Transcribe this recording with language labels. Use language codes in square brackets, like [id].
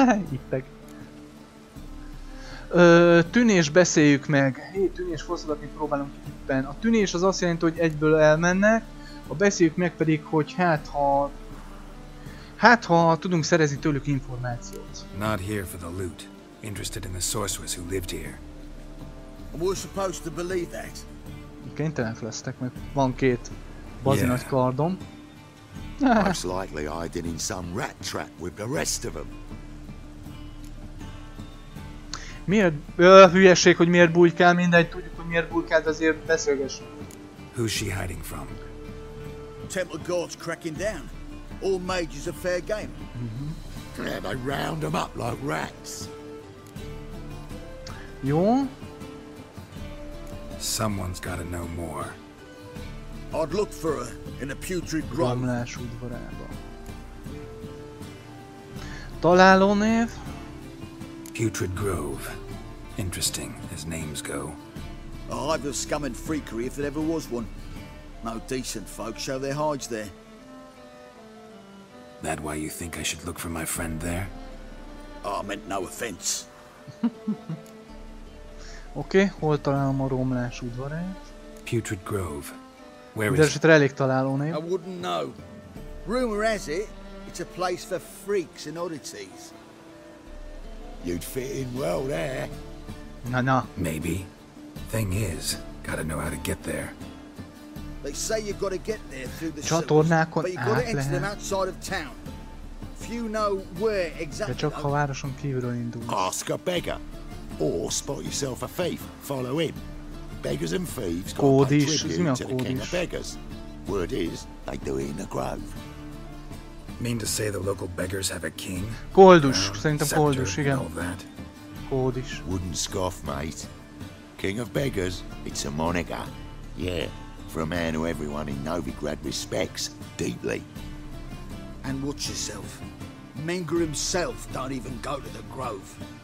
[hu] Hittek. Tűnés beszéljük meg. Hét tűnés fosztogatni próbálunk éppen. A tűnés az azt jelenti, hogy egyből elmennek. A beszéljük meg pedig, hogy hát ha tudunk szerezni tőlük információt. [en] Not here for the loot. Interested in the sorceress who lived here. And we're supposed to believe that. [hu] Kénytelenek lesztek, mert van két bazi nagy kardom. [en] Most likely hiding in some rat trap with the rest of them. [hu] Miért? Hülyeség, hogy miért bújkál, mindegy, tudjuk, hogy miért bújkál, azért beszélgessünk. [en] Who's she hiding from? Temple guards cracking down. All mages are fair game. Mm-hmm. Yeah, they round them up like rats. [hu] Jó. [en] Someone's gotta know more. I'd look for her in a putrid grove. [hu] Romlás udvarában. Találó név? [en] Putrid Grove. Interesting, as names go. A hive of scum and freakery if there ever was one. No decent folk show their hides there. That why you think I should look for my friend there? Oh, I meant no offense. [hu] Okay, hol találom a romlás udvarát? [en] Putrid Grove. [hu] Mindenesetre elég találó név. [en] I wouldn't know. Rumor has it, it's a place for freaks and oddities. You'd fit in well there. [hu] Na. [en] Maybe. Thing is, gotta know how to get there. They say you gotta get there through the [hu] csatornákon [en] sewers, but you gotta enter them outside of town. Few know where exactly. [hu] De csak a városon kívülről indulsz. [en] Ask a beggar. Or spot yourself a thief. Follow him. Beggars and thieves got to pay tribute to the king of beggars. Word is, they do it in the grove. Mean to say the local beggars have a king? [hu] Koldus, szerintem Koldus, igen. Koldus. [en] Wouldn't scoff, mate. King of beggars, it's a moniker. Yeah, for a man who everyone in Novigrad respects deeply. And watch yourself. Menger himself don't even go to the grove.